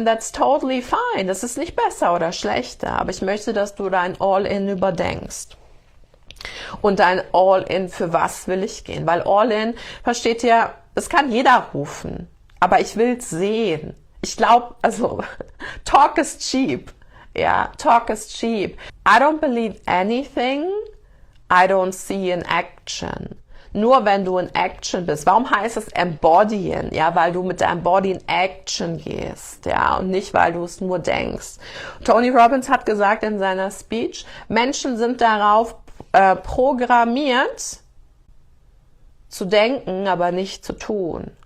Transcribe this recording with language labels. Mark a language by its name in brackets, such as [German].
[English] And that's totally fine. [German] Das ist nicht besser oder schlechter, aber ich möchte, dass du dein All-In überdenkst. Und dein All-In, für was will ich gehen? Weil All-In, versteht ihr, das kann jeder rufen, aber ich will's sehen. Ich glaube, also, [English] talk is cheap. Ja, talk is cheap. I don't believe anything I don't see in action. [German] Nur wenn du in Action bist. Warum heißt es embodyen? Ja, weil du mit deinem Body in Action gehst. Ja, und nicht, weil du es nur denkst. Tony Robbins hat gesagt in seiner Speech, Menschen sind darauf programmiert zu denken, aber nicht zu tun.